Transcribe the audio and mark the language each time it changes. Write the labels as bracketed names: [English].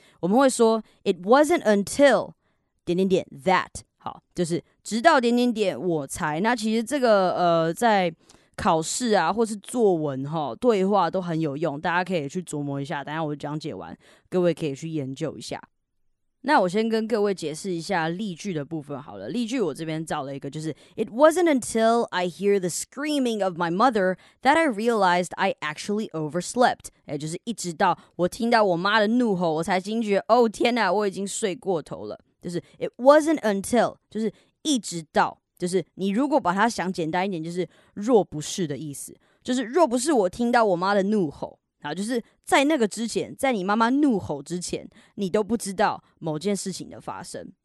[Chinese] 我们会说 It wasn't until 点点点 that， 好，就是直到点点点我才。那其实这个在考试啊或是作文齁对话都很有用，大家可以去琢磨一下，等一下我讲解完各位可以去研究一下。那我先跟各位解释一下例句的部分好了。 [English] 例句我这边找了一个，就是 It wasn't until I hear the screaming of my mother that I realized I actually overslept. [Chinese] 就是一直到我听到我妈的怒吼，我才惊觉哦天哪，我已经睡过头了。就是 It wasn't until，就是一直到，就是你如果把它想简单一点，就是若不是的意思，就是若不是我听到我妈的怒吼，好，就是在那个之前，在你妈妈怒吼之前，你都不知道某件事情的发生。